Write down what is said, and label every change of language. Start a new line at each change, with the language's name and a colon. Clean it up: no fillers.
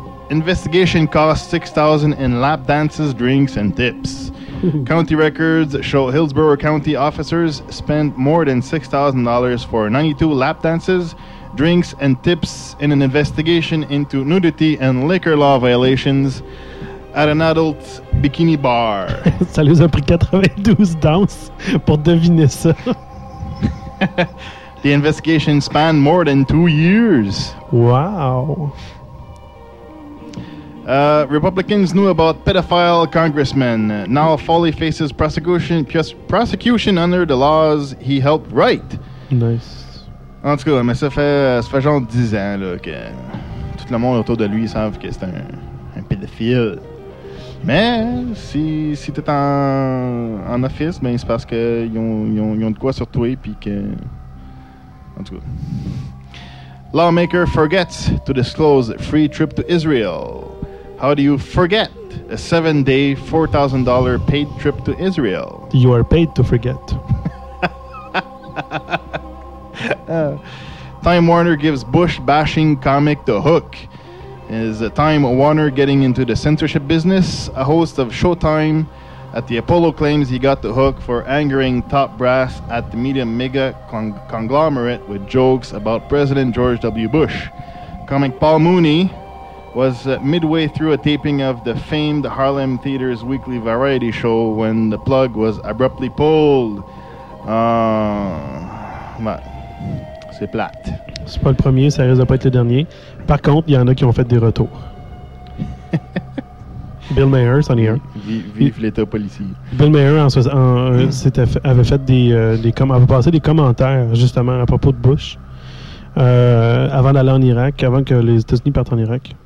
English: Investigation cost $6,000 in lap dances, drinks, and tips. County records show Hillsborough County officers spent more than $6,000 for 92 lap dances, drinks, and tips in an investigation into nudity and liquor law violations at an adult bikini bar.
French: Ça les a pris 92 danses pour deviner ça.
English: The investigation spanned more than 2 years. Wow. Republicans knew about pedophile congressman. Now Foley faces prosecution under the laws he helped write. Nice.
French: En tout cas, mais ça fait genre 10 ans là, que tout le monde autour de lui savent que c'est un pédophile. Mais si t'es en office, ben c'est parce que ils ont de quoi sur toi puis que. En tout cas.
English: Lawmaker forgets to disclose free trip to Israel. How do you forget a 7-day, $4,000 paid trip to Israel? You are paid to forget. Time Warner gives Bush bashing comic the hook. Is Time Warner getting into the censorship business? A host of Showtime at the Apollo claims he got the hook for angering top brass at the media mega conglomerate with jokes about President George W. Bush. Comic Paul Mooney was midway through a taping of the famed Harlem Theater's weekly variety show when the plug was abruptly pulled.
French: Ouais. C'est plate. C'est pas le premier, ça risque de pas être le dernier. Par contre, il y en a qui ont fait des retours. Bill Maher, c'en est un. Vive l'État policier. Bill Maher avait fait des commentaires justement à propos de Bush avant d'aller en Irak, avant que les États-Unis partent en Irak.